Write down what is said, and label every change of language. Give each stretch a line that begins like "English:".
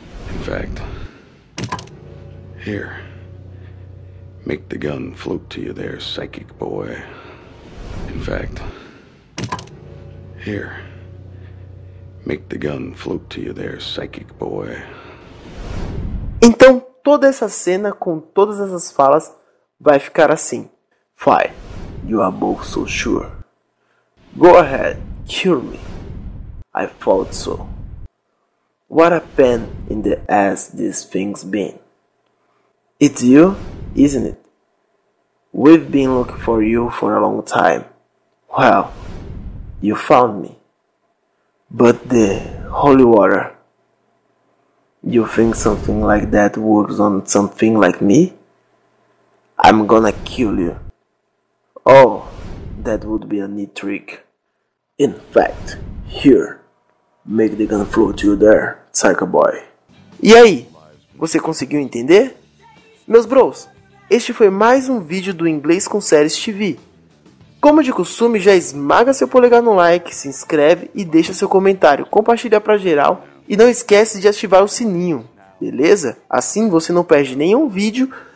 English: In fact, here, make the gun float to you there, psychic boy. In fact, here, make the gun float to you there, psychic boy.
Portuguese: Então, toda essa cena com todas essas falas vai ficar assim.
English: Fine, you are both so sure. Go ahead, kill me. I thought so. What a pain in the ass this thing's been. It's you, isn't it? We've been looking for you for a long time. Well, you found me. But the holy water. You think something like that works on something like me? I'm gonna kill you. Oh, that would be a neat trick. In fact, here, make the gun float to you there, psycho boy.
Portuguese: E aí, você conseguiu entender? Meus bros, este foi mais um vídeo do Inglês com Séries TV. Como de costume, já esmaga seu polegar no like, se inscreve e deixa seu comentário, compartilha pra geral e não esquece de ativar o sininho, beleza? Assim você não perde nenhum vídeo